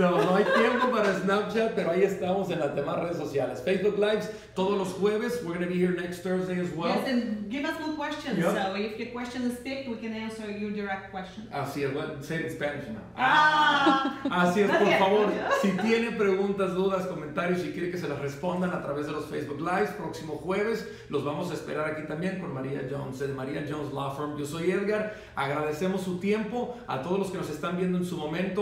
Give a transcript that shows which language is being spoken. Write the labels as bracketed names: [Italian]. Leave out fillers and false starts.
[Spanish] No hay tiempo para Snapchat, pero ahí estamos en las demás redes sociales. Facebook Lives todos los jueves. [English] We're going to be here next Thursday as well. Yes, and give us more questions. Yep. So if your question is picked, we can answer your direct question. [Spanish] Así es. [English] Well, say it in Spanish now. Ah! [Spanish] Así es. Por favor, si tiene preguntas, dudas, comentarios, si quiere que se las respondan a través de los Facebook Lives, próximo jueves, los vamos a esperar aquí también con María Jones. María Jones Law Firm. Yo soy Edgar. Agradecemos su tiempo a todos los que nos están viendo en su momento.